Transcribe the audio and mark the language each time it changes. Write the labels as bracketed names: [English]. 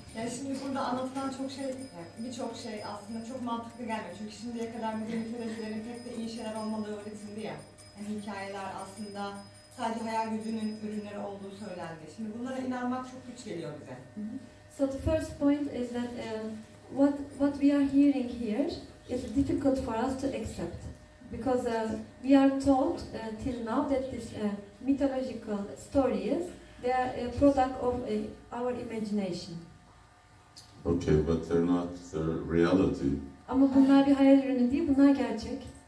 [Turkish] Yani şimdi burada anlatılan çok şey, yani birçok şey aslında çok mantıklı gelmiyor. Çünkü şimdiye kadar bizim ülkelerin pek de iyi şeyler olmadığı öğretildi ya. Yani hikayeler aslında sadece hayal gücünün ürünleri olduğu söylendi. Şimdi bunlara inanmak çok güç geliyor bize. [English] So the first point is that what we are hearing here is difficult for us to accept, because we are told till now that this mythological stories, they are a product of our imagination. Okay, but they're not, they're reality. [Turkish] Ama bunlar bir hayal ürünü değil, bunlar gerçek.